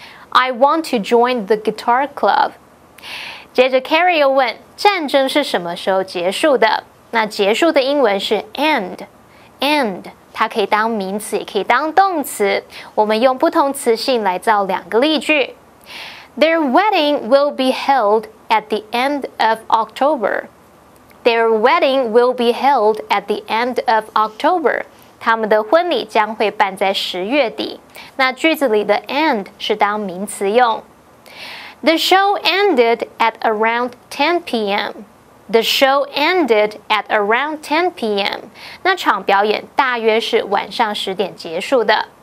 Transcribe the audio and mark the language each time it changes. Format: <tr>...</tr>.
<en>I want to join the guitar club。</en> <zh>接着 Carrie 又问，战争是什么时候结束的？那结束的英文是 end。 End， 它可以当名词，也可以当动词。我们用不同词性来造两个例句。</zh> <en>Their wedding will be held at the end of October. Their wedding will be held at the end of October.</en> <zh>他们的婚礼将会办在十月底。那句子里的 end 是当名词用。</zh> <en>The show ended at around 10 p.m. The show ended at around 10 p.m.</en> <zh>那场表演大约是晚上十点结束的。</zh>